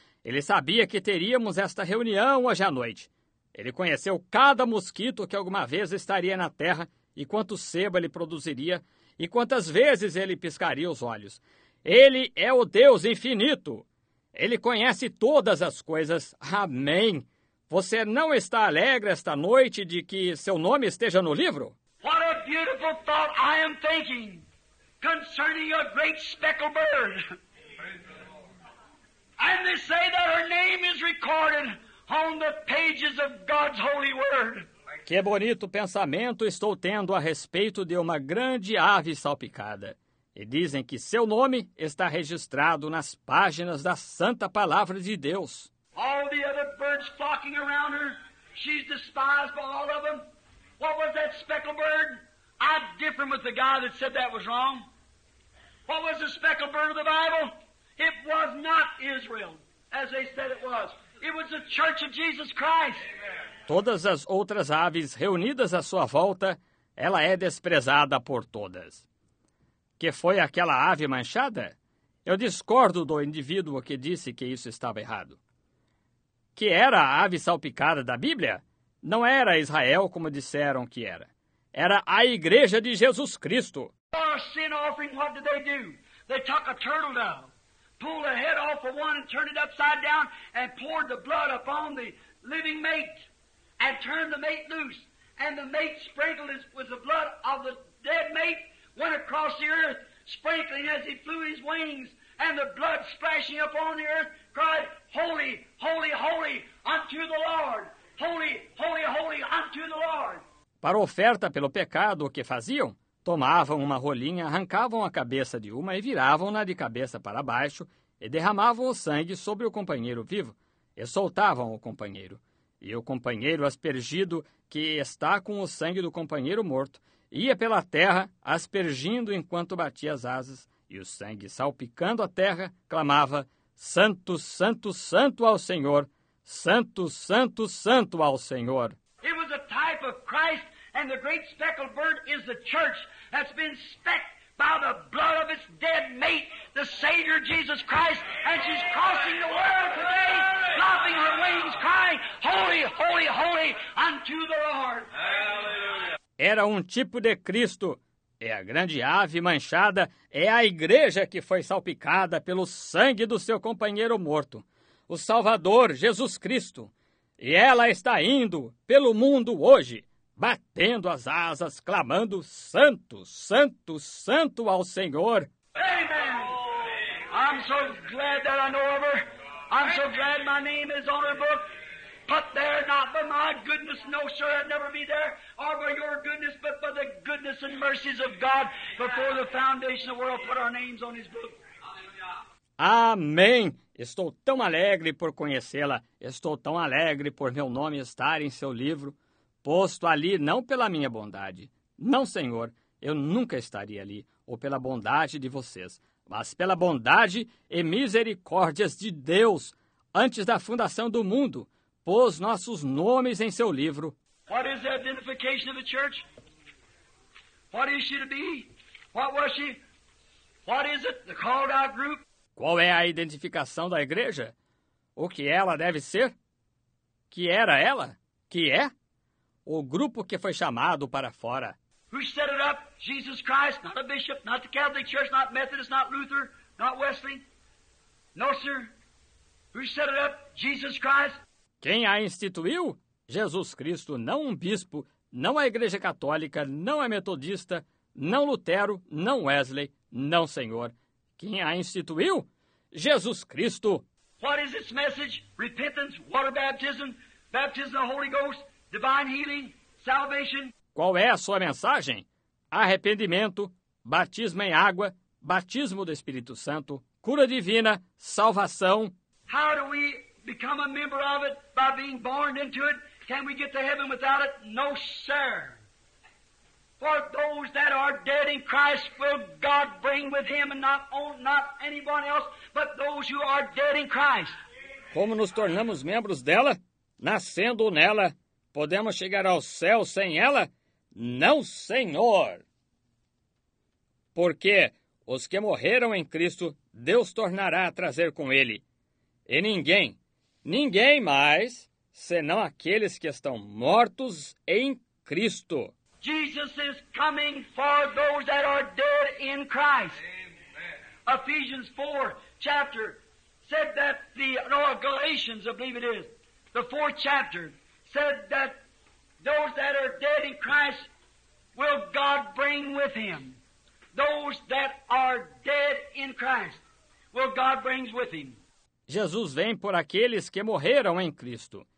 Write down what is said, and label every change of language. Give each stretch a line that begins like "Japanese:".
Portuguese: Ele sabia que teríamos esta reunião hoje à noite. Ele conheceu cada mosquito que alguma vez estaria na terra e quanto sebo ele produziria e quantas vezes ele piscaria os olhos. Ele é o Deus infinito. Ele conhece todas as coisas. Amém. Você não está alegre esta noite de que seu nome esteja no livro?
English: What a beautiful thought I am thinking concerning a great speckled bird. And they say that her name is recorded on the pages of God's holy word.
Portuguese: Que bonito pensamento estou tendo a respeito de uma grande ave salpicada. E dizem que seu nome está registrado nas páginas da Santa Palavra de Deus.
English: All the other birds flocking around her, she's despised by all of them. What was that speckled bird? I differ with the guy that said that was wrong. What was the speckled bird of the Bible? It was not Israel, as they said it was. It was the Church of Jesus Christ.
Portuguese: Todas as outras aves reunidas à sua volta, ela é desprezada por todas. Que foi aquela ave manchada? Eu discordo do indivíduo que disse que isso estava errado. Que era a ave salpicada da Bíblia? Não era Israel, como disseram que era. Era a Igreja de Jesus Cristo. Para
English: a sin offering, what did they do? They took a turtle dove. pulled the head off of one and turned it upside down and poured the blood upon the living mate and turned the mate loose. And the mate sprinkled his, with the blood of the dead mate, went across the earth, sprinkling as he flew his wings, and the blood splashing upon the earth, cried, "Holy, holy, holy unto the Lord! Holy, holy, holy unto the Lord!"
Portuguese: Para oferta pelo pecado, o que faziam? Tomavam uma rolinha, arrancavam a cabeça de uma e viravam-na de cabeça para baixo e derramavam o sangue sobre o companheiro vivo e soltavam o companheiro. E o companheiro aspergido, que está com o sangue do companheiro morto, ia pela terra aspergindo enquanto batia as asas, e o sangue salpicando a terra clamava: "Santo, santo, santo ao Senhor! Santo, santo, santo ao Senhor!"
English: It was a type of Christ. And the great speckled bird is the church that's been specked by the blood of its dead mate, the Savior Jesus Christ. And she's crossing the world today, flopping her wings, crying, "Holy, holy, holy unto the Lord."
Portuguese: Era tipo de Cristo. E a grande ave manchada é a igreja que foi salpicada pelo sangue do seu companheiro morto, o Salvador Jesus Cristo. E ela está indo pelo mundo hoje, batendo as asas, clamando: "Santo, santo, santo ao Senhor!"
English: Amen! I'm so glad that I know of her. I'm so glad my name is on her book. Put there not by my goodness, no, sir, I'd never be there, or by your goodness, but by the goodness and mercies of God, before the foundation of the world put our names on his book.
Portuguese: Amém! Estou tão alegre por conhecê-la. Estou tão alegre por meu nome estar em seu livro. Posto ali não pela minha bondade, não, Senhor, eu nunca estaria ali, ou pela bondade de vocês, mas pela bondade e misericórdias de Deus, antes da fundação do mundo, pôs nossos nomes em seu livro.
English: What is the identification of the church? What is she to be? What was she? What is it? The called out group?
Portuguese: Qual é a identificação da igreja? O que ela deve ser? Que era ela? Que é? O grupo que foi chamado para fora.
English: Who set it up? Jesus Christ, not a bishop, not the Catholic Church, not Methodist, not Luther, not Wesley. No, sir. Who set it up? Jesus Christ.
Portuguese: Quem a instituiu? Jesus Cristo, não um bispo, não a Igreja Católica, não a Metodista, não Lutero, não Wesley, não, Senhor. Quem a instituiu? Jesus Cristo.
English: What is its message? Repentance, water baptism, baptism of the Holy Ghost. Divine healing, salvation.
Portuguese: Qual é a sua mensagem? Arrependimento, batismo em água, batismo do Espírito Santo, cura divina, salvação.
English: How do we become a member of it by being born into it? Can we get to heaven without it? No, sir. For those that are dead in Christ, will God bring with him and not anyone else, but those who are dead in Christ.
Portuguese: Como nos tornamos membros dela? Nascendo nela. Podemos chegar ao céu sem ela? Não, Senhor! Porque os que morreram em Cristo, Deus tornará a trazer com ele. E ninguém, ninguém mais, senão aqueles que estão mortos em Cristo.
English: Jesus is coming for those that are dead in Christ. Amen. Ephesians 4, chapter, said that the, no, Galatians, I believe it is, the fourth chapter, said that those that are dead in Christ will God bring with him. Those that are dead in Christ will God bring with him.
Portuguese: Jesus vem por aqueles que morreram em Cristo.